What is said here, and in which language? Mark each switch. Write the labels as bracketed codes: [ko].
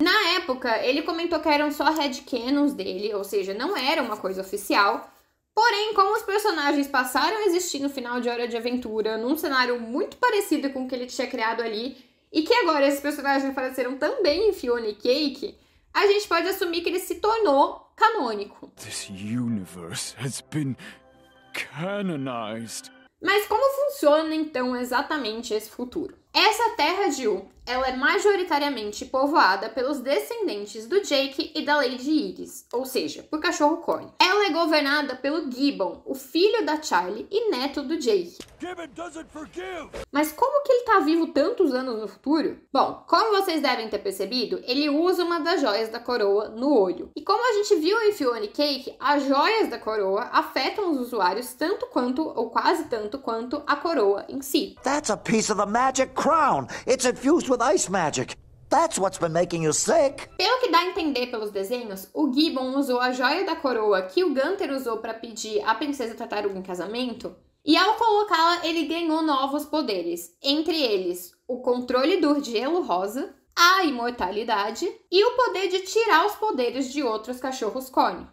[pt] Na época, ele comentou que eram só headcanons dele, ou seja, não era uma coisa oficial. Porém, como os personagens passaram a existir no final de Hora de Aventura, num cenário muito parecido com o que ele tinha criado ali, e que agora esses personagens apareceram também em Fiona e Cake, a gente pode assumir que ele se tornou canônico. [en] This universe has been canonized. [pt] Mas como funciona, então, exatamente esse futuro? Essa terra de U, ela é majoritariamente povoada pelos descendentes do Jake e da Lady Iris, ou seja, por cachorro corne. Ela é governada pelo Gibbon, o filho da Charlie e neto do Jake. [en] Gibbon doesn't forgive. [pt] Mas como que ele tá vivo tantos anos no futuro? Bom, como vocês devem ter percebido, ele usa uma das joias da coroa no olho. E como a gente viu em Fiona Cake, as joias da coroa afetam os usuários tanto quanto, ou quase tanto quanto, a coroa em si. [en] That's a piece of the magic. Crown. It's infused with ice magic. That's what's been making you sick. [pt] Pelo que dá a entender pelos desenhos, o Gibbon usou a joia da coroa que o Gunther usou para pedir a princesa Tartaruga em casamento, e ao colocá-la, ele ganhou novos poderes, entre eles o controle do gelo rosa, a imortalidade e o poder de tirar os poderes de outros cachorros corne.